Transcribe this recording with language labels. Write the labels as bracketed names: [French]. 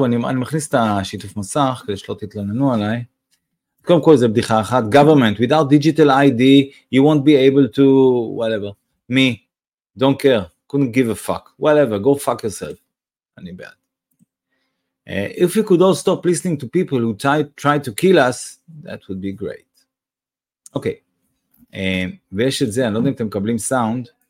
[Hebrew] טוב, אני מכניס את השיתוף מסך, כדי שלא תתלוננו עליי. קודם כל זה בדיחה אחת, [English] government, without digital ID, you won't be able to, whatever, me, don't care, couldn't give a fuck, whatever, go fuck yourself, [Hebrew] אני בעד. [English] If you could all stop listening to people who try to kill us, that would be great. [Hebrew] אוקיי, ויש את זה, אני לא יודע אם אתם מקבלים סאונד.